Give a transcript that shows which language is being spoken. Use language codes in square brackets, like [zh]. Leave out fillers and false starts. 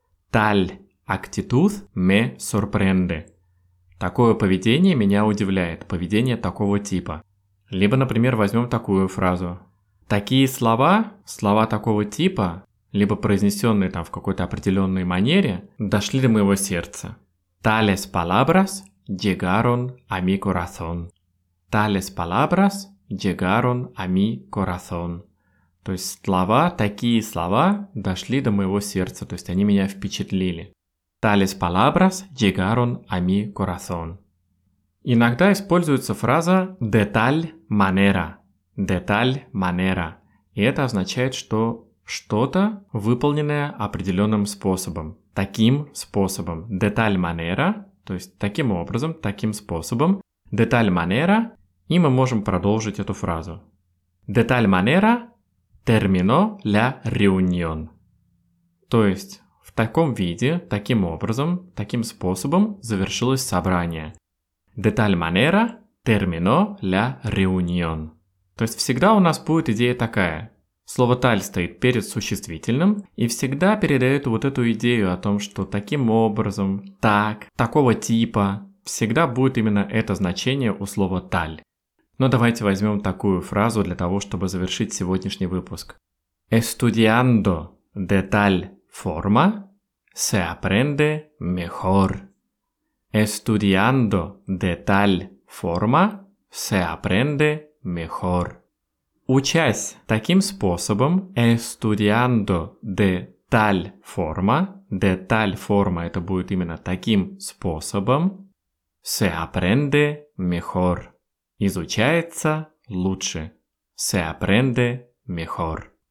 [es] Tal actitud me sorprende. [ru] Такое поведение меня удивляет, поведение такого типа. Либо, например, возьмем такую фразу. Такие слова, слова такого типа, либо произнесенные там в какой-то определенной манере, дошли до моего сердца. [es] Tales palabras llegaron a mi corazón. Tales palabras llegaron a mi corazón. [ru] То есть слова, такие слова дошли до моего сердца, то есть они меня впечатлили. [es] Tales palabras llegaron a mi corazón. [ru] Иногда используется фраза de tal manera. [es] De tal manera. [ru] И это означает, что что-то, выполненное определенным способом. Таким способом. De tal manera, то есть таким образом, таким способом. De tal manera, и мы можем продолжить эту фразу. [es] De tal manera terminó la reunión. [ru] То есть в таком виде, таким образом, таким способом завершилось собрание. [es] De tal manera terminó la reunión. [ru] То есть всегда у нас будет идея такая. Слово «таль» стоит перед существительным и всегда передает вот эту идею о том, что таким образом, так, такого типа, всегда будет именно это значение у слова «таль». Но давайте возьмем такую фразу для того, чтобы завершить сегодняшний выпуск. [es] Estudiando de tal forma se aprende mejor. Estudiando de tal forma se aprende mejor. [ru] Учась таким способом, estudiando de tal forma это будет именно таким способом, [es] Se aprende mejor. Изучается лучше. Se aprende mejor.